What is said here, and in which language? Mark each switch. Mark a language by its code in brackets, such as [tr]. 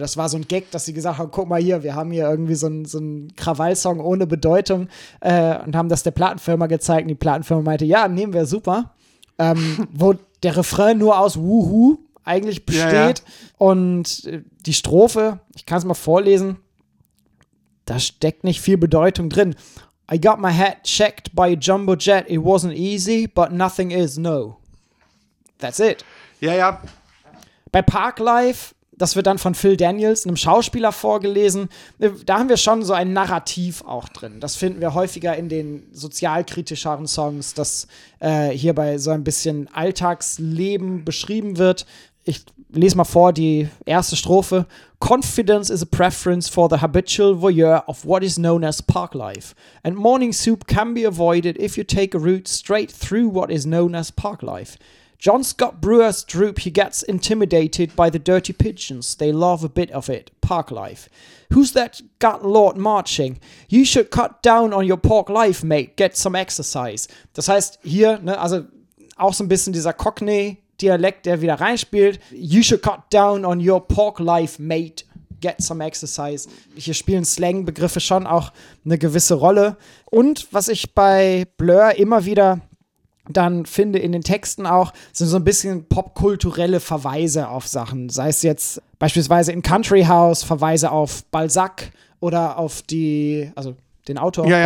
[de] Das war so ein Gag, dass sie gesagt haben, guck mal hier, wir haben hier irgendwie so einen Krawallsong ohne Bedeutung und haben das der Plattenfirma gezeigt und die Plattenfirma meinte, ja, nehmen wir, super. wo der Refrain nur aus Wuhu eigentlich besteht und die Strophe, ich kann es mal vorlesen, da steckt nicht viel Bedeutung drin. [en] I got my head checked by a jumbo jet, it wasn't easy, but nothing is, no. That's it. [de] Ja, ja. Bei Parklife, das wird dann von Phil Daniels, einem Schauspieler, vorgelesen. Da haben wir schon so ein Narrativ auch drin. Das finden wir häufiger in den sozialkritischeren Songs, dass hierbei so ein bisschen Alltagsleben beschrieben wird. Ich lese mal vor die erste Strophe. [en] Confidence is a preference for the habitual voyeur of what is known as park life. And morning soup can be avoided if you take a route straight through what is known as park life. John Scott Brewer's droop, he gets intimidated by the dirty pigeons. They love a bit of it. Park life. Who's that gut lord marching? You should cut down on your park life, mate. Get some exercise. [de] Das heißt, hier, also auch so ein bisschen dieser Cockney-Dialekt, der wieder reinspielt. [en] You should cut down on your park life, mate. Get some exercise. [de] Hier spielen Slang-Begriffe schon auch eine gewisse Rolle. Und was ich bei Blur immer wieder dann finde in den Texten auch, sind so ein bisschen popkulturelle Verweise auf Sachen. Sei es jetzt beispielsweise in Country House Verweise auf Balzac oder auf die, also den Autor, ja, ja.